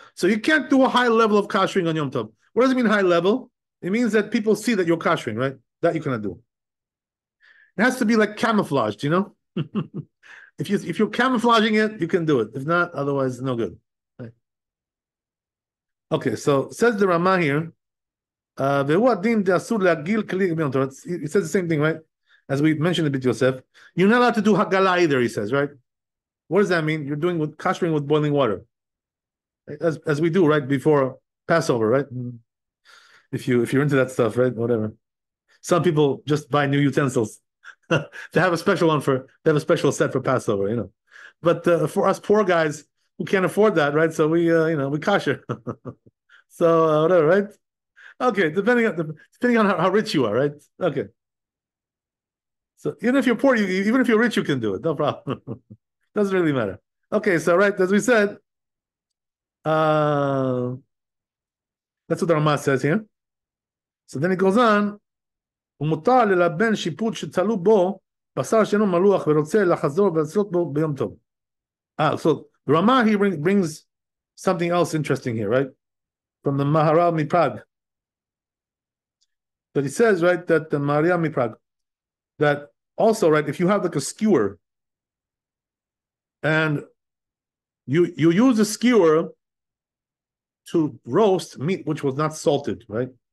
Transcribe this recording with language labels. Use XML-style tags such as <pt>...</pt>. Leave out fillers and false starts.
<en>So you can't do a high level of kashering on Yom Tov. What does it mean, high level? It means that people see that you're kashering, right? That you cannot do. It has to be like camouflaged, you know? if you're camouflaging it, you can do it. If not, otherwise, no good. Right? Okay, so says the Ramah here,</en> <he>והוא הדין דאסור להגיל כלי גמילות.</he> <en>He says the same thing, right? As we mentioned a bit, Yosef. You're not allowed to do hagala either, he says, right? What does that mean? You're doing with kashering with boiling water. As we do, right? Before Passover, right? If you're into that stuff, right? Whatever. Some people just buy new utensils. They have a special one for, they have a special set for Passover, you know. But for us poor guys, we can't afford that, right? So we, you know, we kasher. So whatever, right? Okay, depending on how rich you are, right? Okay. So even if you're poor, even if you're rich, you can do it. No problem. Doesn't really matter. Okay, so right, as we said, that's what the Ramah says here. So then he goes on,</en> <he>ומותר ללבן שיפוד שצלו בו בשר שאינו מלוח ורוצה לחזור ולעשות בו ביום טוב.</he> <en>So the Ramah, he brings something else interesting here, right? From the Maharal Miprag. But he says, right, that the Maharal Miprag, that also, right, if you have like a skewer, and you use a skewer to roast meat which was not salted, right?</en>